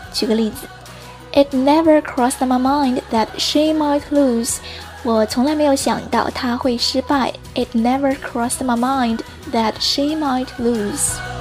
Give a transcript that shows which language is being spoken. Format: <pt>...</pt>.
<zh>举个例子</zh> <en>，It never crossed my mind that she might lose.</en> <zh>我从来没有想到她会失败。</zh> <en>It never crossed my mind that she might lose.</en>